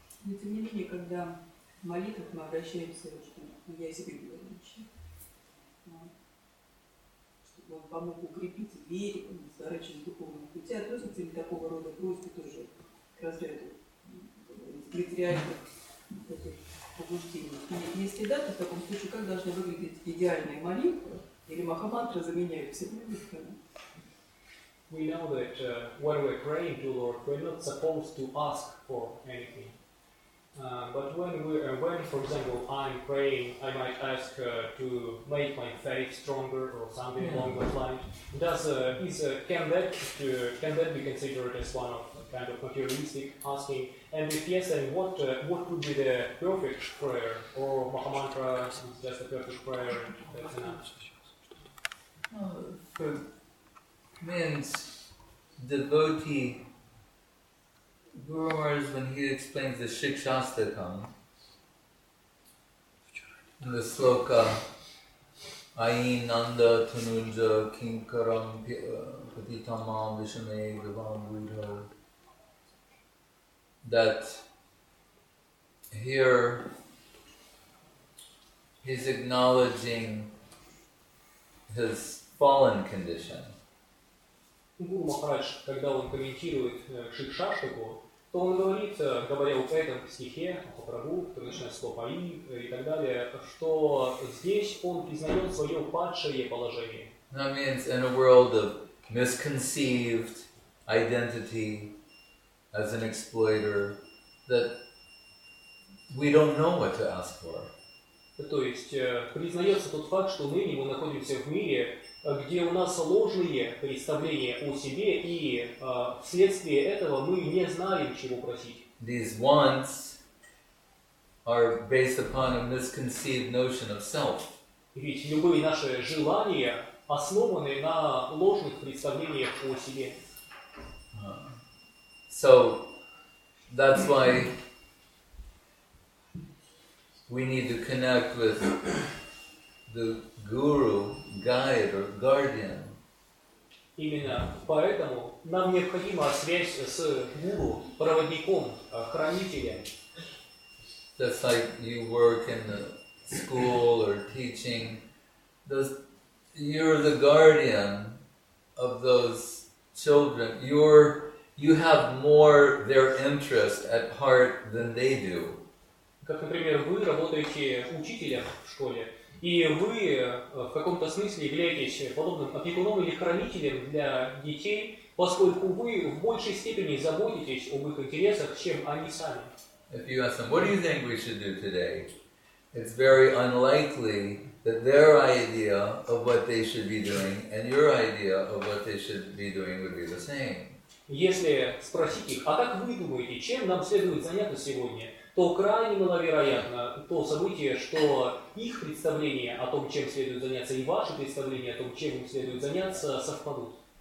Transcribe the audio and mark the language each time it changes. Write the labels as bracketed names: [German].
[Russian] Но тем не менее, когда в молитвах мы обращаемся, что я себе говорю, чтобы он помог укрепить вере, сворачивать духовного пути, относятся ли такого рода просьбы тоже к разряду материальных побуждений? Если да, то в таком случае как должна выглядеть идеальная молитва? Или махамантра заменяет все молитвы? [English] We know that when we're praying to the Lord, we're not supposed to ask for anything. But when, for example, I'm praying, I might ask to make my faith stronger or something along those lines. Can that be considered as one of a kind of materialistic asking? And if yes, then what would be the perfect prayer? Or Mahamantra is just a perfect prayer? That's enough. Man's devotee Guru Maharaj, when he explains the Shikshastakam, the sloka, [Sanskrit] Ayi Nanda Tanunja Kinkaram Patitama Vishame Gavam Buddha, [English] that here he's acknowledging his fallen condition. [Russian] Гуру Махарадж, когда он комментирует Шикшаштаку, то он говорит, говоря вот в этом стихе, о Прабу, который начинает с слова «И» и так далее, что здесь он признает свое падшее положение. [English] That means in a world of misconceived identity as an exploiter, that we don't know what to ask for. [Russian] То есть признается тот факт, что ныне мы находимся в мире, где у нас ложные представления о себе, и вследствие этого мы не знаем, чего просить. [English] These wants are based upon a misconceived notion of self. [Russian] Ведь любые наши желания основаны на ложных представлениях о себе. [English] So that's why we need to connect with the guru, guide or guardian. [Russian] Именно поэтому нам необходима связь с гуру, проводником, хранителем. [English] Just like you work in the school or teaching, you're the guardian of those children. You have more their interest at heart than they do. [Russian] Как, например, вы работаете учителем в школе. И вы в каком-то смысле являетесь подобным опекуном или хранителем для детей, поскольку вы в большей степени заботитесь об их интересах, чем они сами. [English] If you ask them, what do you think we should do today? It's very unlikely that their idea of what they should be doing and your idea of what they should be doing would be the same. [Russian] Если спросить их, а как вы думаете, чем нам следует заняться сегодня? То крайне маловероятно то событие, что их представление о том, чем следует заняться, и ваше представление о том, чем им следует заняться, совпадут.